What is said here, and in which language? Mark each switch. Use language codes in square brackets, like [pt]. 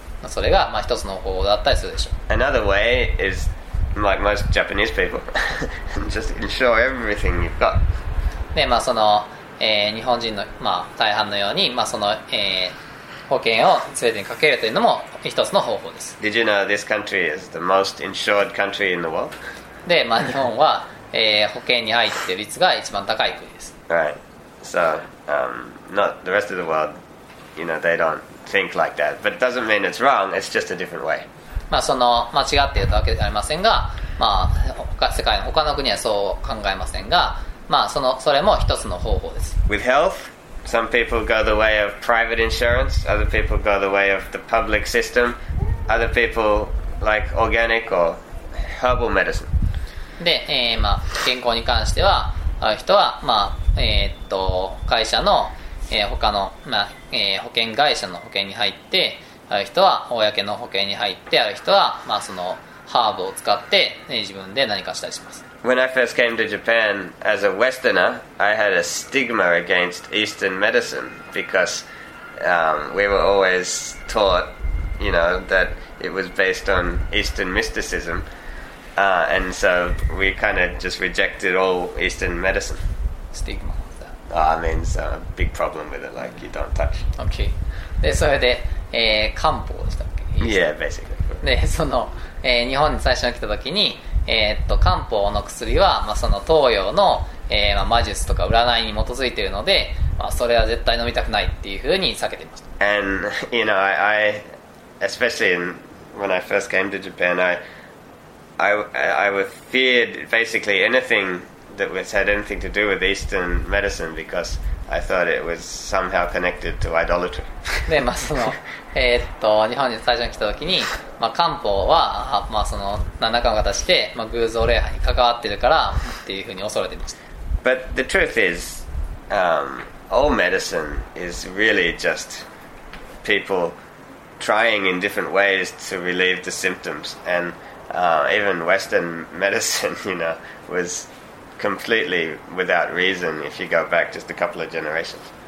[ja] それがまあ一つの方法だったりするでしょう。 [en] Another way is like most Japanese people, just ensure everything you've got. [ja] で、まあその、日本人の、まあ、大半のように、まあその、保険を全てにかけるというのも一つの方法です。 [en] Did you know this country is the most insured country in the world? [ja] で、まあ日本は、保険に入っている率が一番高い国です。 [en] Right. So, not the rest of the world, you know, they don't think like that. But it doesn't mean it's wrong, it's just a different way. [ja] まあその、間違っているわけではありませんが、まあ世界の他の国はそう考えませんが、まあそれも一つの方法です。 [en] With health? Some people go the way of private insurance. Other people go the way of the public system. Other people like organic or herbal medicine. [ja] で、まあ健康に関しては、ある人はまあ会社の、他のまあ、保険会社の保険に入って、ある人は公の保険に入って、ある人はまあそのハーブを使って、ね、自分で何かしたりします。 [en] When I first came to Japan as a Westerner, I had a stigma against Eastern medicine because we were always taught, you know, that it was based on Eastern mysticism, and so we kind of just rejected all Eastern medicine. Stigma. Ah, means a big problem with it, like you don't touch. Okay. [ja] で、それで、漢方でしたっけ？ [en] Yeah, basically. [ja] で、その、日本に最初に来た時に。漢方の薬は、まあ、その東洋の、まあ、魔術とか占いに基づいているので、まあ、それは絶対飲みたくないっていうふうに避けていました。 [en] And you know, I especially in, when I first came to Japan, I was feared basically anything that was had anything to do with Eastern medicine because I thought it was somehow connected to idolatry. [ja] で、まあ、その日本に最初に来た時に。まあ、漢方は、まあ、その何らかの形で、まあ、偶像礼拝に関わってるからっていうふうに恐れていました。 [en] But the truth is, all medicine is really just people trying in different ways to relieve the symptoms. And even Western medicine, you know, was completely without reason if you go back just a couple of generations.